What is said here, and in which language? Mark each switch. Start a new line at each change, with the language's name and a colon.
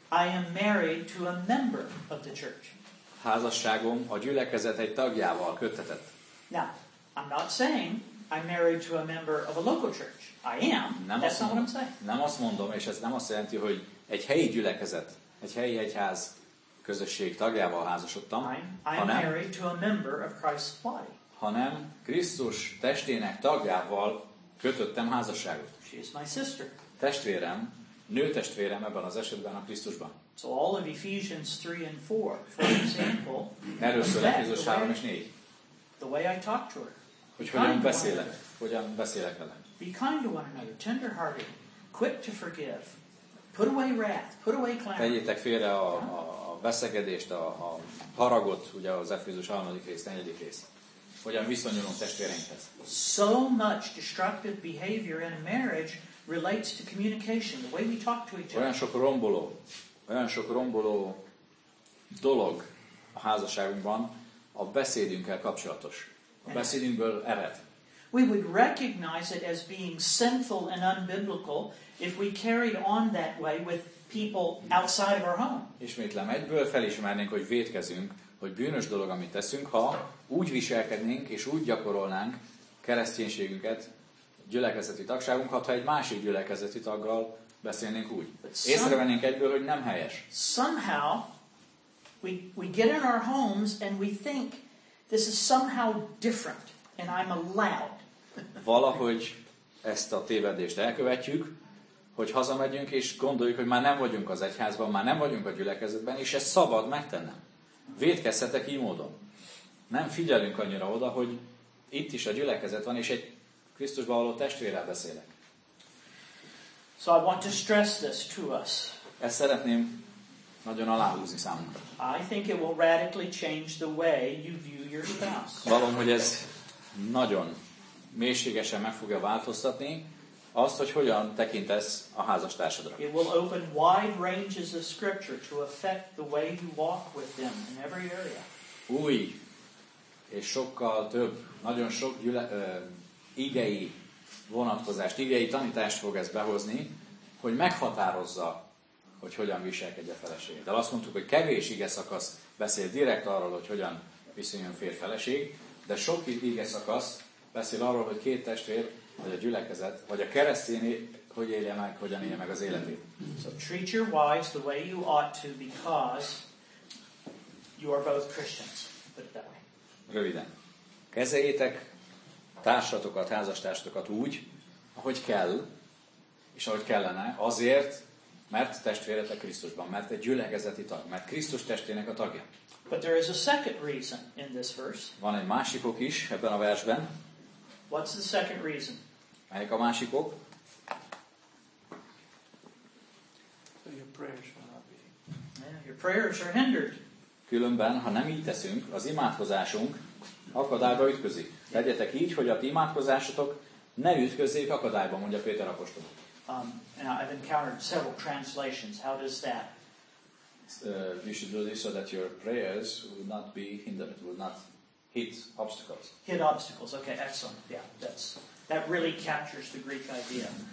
English: I am married to a member of the church.
Hungarian: Házasságom a gyülekezet egy tagjával kötetett.
English: Now, I'm not saying I'm married to a member of a local church. I am. That's not what I'm saying.
Hungarian: Nem azt mondom, és ez nem azt jelenti, hogy egy helyi gyülekezet, egy helyi egyház közösség tagjával házasodtam,
English: I'm married to a member of Christ's body.
Hungarian: Hanem Krisztus testének tagjával kötöttem házasságot.
English: She is my sister.
Hungarian: Testvérem, nőtestvérem ebben az esetben a Krisztusban.
English: So all of Ephesians 3 and 4, for example,
Hungarian: erről szól Efézus 3 és 4.
English: The way I talk to her.
Hungarian: Hogy hogyan beszélek vele.
English: Be kind to one another, tender-hearted, quick to forgive. Put away wrath, put away clamor.
Hungarian: Tegyétek félre a veszekedést, a haragot, ugye az Efézus 3. rész, 4. rész. Hogyan viszonyulunk testvéreinkhez.
English: So much destructive behavior in a marriage relates to communication, the way we talk to each other.
Hungarian: Olyan sok romboló dolog a házasságunkban a beszédünkkel kapcsolatos. A beszédünkből ered.
English: We would recognize it as being sinful and unbiblical if we carried on that way with people outside of our home.
Hungarian: Ismétlem, egyből felismernénk, hogy vétkezünk, hogy bűnös dolog, amit teszünk, ha úgy viselkednénk és úgy gyakorolnánk kereszténységünket, gyülekezeti tagságunkat, ha egy másik gyülekezeti taggal beszélnénk úgy. Észrevennénk egyből, hogy nem helyes.
English: Somehow we get in our homes and we think this is somehow different and I'm allowed.
Hungarian: Valahogy ezt a tévedést elkövetjük, hogy hazamegyünk és gondoljuk, hogy már nem vagyunk az egyházban, már nem vagyunk a gyülekezetben, és ez szabad megtennem. Vétkezhetek így módon. Nem figyelünk annyira oda, hogy itt is a gyülekezet van, és egy Krisztusban való testvérrel beszélek.
English: So I want to stress this to us.
Hungarian: Ezt szeretném nagyon aláhúzni számunkra.
English: I think it will radically change the way you view your spouse.
Hungarian: Valom, hogy ez nagyon mélységesen meg fogja változtatni azt, hogy hogyan tekintesz a házastársadra.
English: It will open wide ranges of scripture to affect the way you walk with them in every area.
Hungarian: Új és sokkal több, nagyon sok igei vonatkozást, igei tanítást fog ez behozni, hogy meghatározza, hogy hogyan viselkedj a feleség. De azt mondtuk, hogy kevés ige szakasz beszél direkt arról, hogy hogyan viszonyuljon férfeleség, de sok ige szakasz beszél arról, hogy két testvér, vagy a gyülekezet, vagy a keresztény, hogy élje meg, hogyan élje meg az életét.
English: So treat your wives the way you ought to, because you are both Christians. Put it that way.
Hungarian: Röviden. Kezeljétek társatokat, házastársatokat úgy, ahogy kell, és ahogy kellene, azért, mert testvéretek Krisztusban, mert egy gyülekezeti tag, mert Krisztus testének a tagja.
English: But there is a second reason in this verse.
Hungarian: Van egy másik ok is ebben a versben.
English: What's the second reason?
Hungarian: Melyik a másik ok?
English: Your prayers are hindered.
Hungarian: Különben, ha nem így teszünk, az imádkozásunk akadályba ütközik. Legyetek így, hogy a ti imádkozásotok ne ütközzék akadályba, mondja Péter apostol.
English: And I've encountered several translations. How does that? you should do this so that your prayers will not be hindered, will not hit obstacles. Hit obstacles. Okay, excellent. Yeah, that really captures the Greek idea.